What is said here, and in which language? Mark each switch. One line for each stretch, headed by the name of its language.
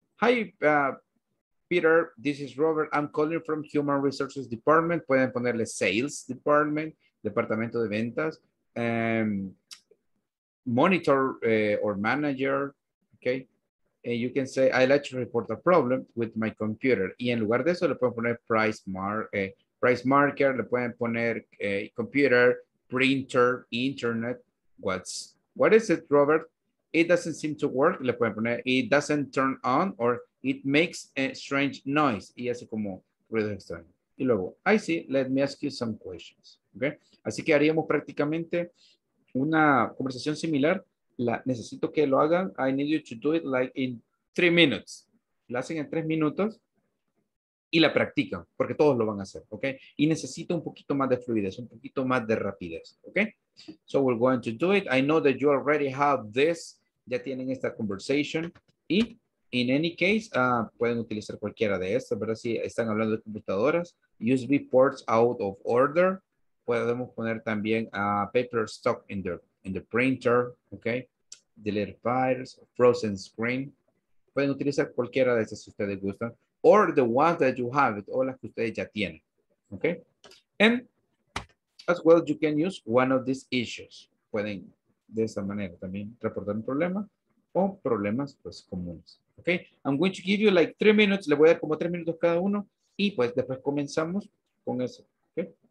English: Hi, Peter. This is Robert. I'm calling from Human Resources Department.
Spanish: Pueden ponerle Sales Department, Departamento de Ventas.
English: Monitor or manager, okay? And you can say, I'd like to report a problem with my computer.
Spanish: Y en lugar de eso, le pueden poner price marker, le pueden poner computer, printer, internet.
English: What is it, Robert? It doesn't seem to work.
Spanish: Le pueden poner,
English: it doesn't turn on or it makes a strange noise.
Spanish: Y hace como ruido extraño. Y luego,
English: I see, let me ask you some questions, okay?
Spanish: Así que haríamos prácticamente una conversación similar. Necesito que lo hagan.
English: I need you to do it like in 3 minutes.
Spanish: La hacen en 3 minutos y la practican, porque todos lo van a hacer, ¿ok? Y necesito un poquito más de fluidez, un poquito más de rapidez, ¿ok?
English: So we're going to do it. I know that you already have this.
Spanish: Ya tienen esta
English: conversation.
Spanish: Y
English: in any case,
Spanish: pueden utilizar cualquiera de estas, ¿verdad? Si están hablando de computadoras,
English: USB ports out of order.
Spanish: Podemos poner también
English: paper stuck in the printer, okay? Deleted files, frozen screen.
Spanish: Pueden utilizar cualquiera de esas si ustedes gustan.
English: Or the ones that you have,
Spanish: o las que ustedes ya tienen,
English: okay? And as well, you can use one of these issues.
Spanish: Pueden de esa manera también reportar un problema o problemas pues comunes, okay?
English: I'm going to give you like 3 minutes.
Spanish: Le voy a dar como 3 minutos cada uno y pues después comenzamos con eso, okay?